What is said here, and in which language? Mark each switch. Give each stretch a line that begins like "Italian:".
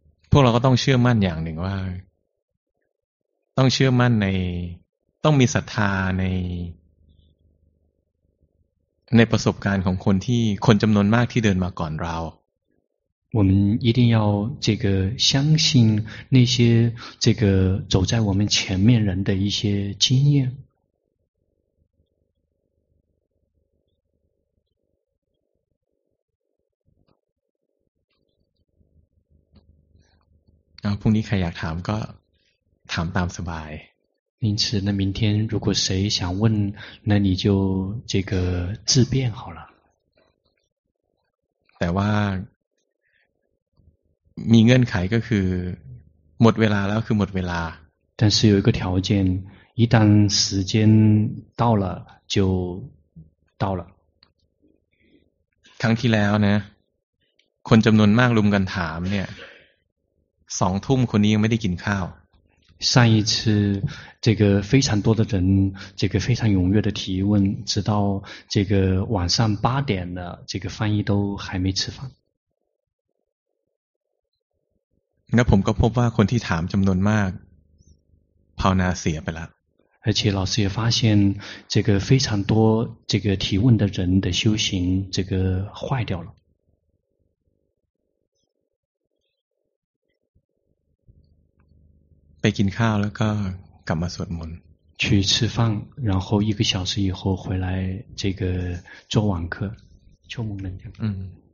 Thai: พวกเราก็ต้องเชื่อมั่นอย่างหนึ่งว่าต้องเชื่อมั่นในต้องมีศรัทธาในประสบการณ์ของคนที่คนจำนวนมากที่เดินมาก่อนเรา
Chinese: 我们一定要这个相信那些这个走在我们前面人的一些经验
Thai: พรุ่งนี้ใครอยากถามก็ถามตามสบาย
Chinese: 因此那明天如果谁想问那你就这个自便好了
Thai: แต่ว่ามีเงื่อนไขก็คือหมดเวลาแล้วคือหมดเวลา
Chinese: 但是有一个条件一旦时间到了就到了
Thai: ครั้งที่แล้วนะคนจำนวนมากรุมกันถามเนี่ย2ทุ่มคนนี้ยังไม่ได้กินข้าว
Chinese: 上一次这个非常多的人这个非常踊跃的提问直到这个晚上八点了这个翻译都还没吃饭
Thai: 那ผมก็พบว่าคนที่ถามจำนวนมากภาวนาเสียไปแล้
Chinese: ว而且老师也发现这个非常多这个提问的人的修行这个坏掉了
Thai: ไปกินข้าวแล้วก็กลับมาสวดมนต์
Chinese: 去吃饭然后一个小时以后回来这个做晚课做梦能量